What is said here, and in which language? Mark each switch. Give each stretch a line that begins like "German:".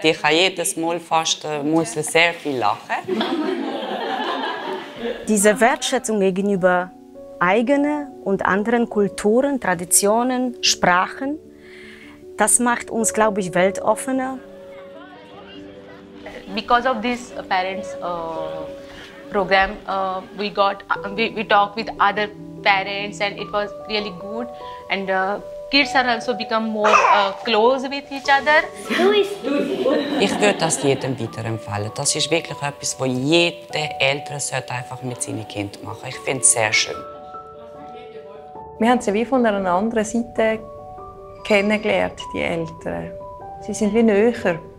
German: Ich habe jedes Mal fast sehr viel lachen. Diese Wertschätzung gegenüber eigenen und anderen Kulturen, Traditionen, Sprachen, das macht uns, glaube ich, weltoffener.
English: Because of this parents program, we talked with other parents and it was really good. And kids are also become more close with each other.
German: Ich würde das jedem weiterempfehlen. Das ist wirklich etwas, was jeder Eltern sollte einfach mit seinen Kindern machen. Ich finde es sehr schön. Wir haben sie wie von einer anderen Seite kennengelernt, die Eltern. Sie sind wie näher.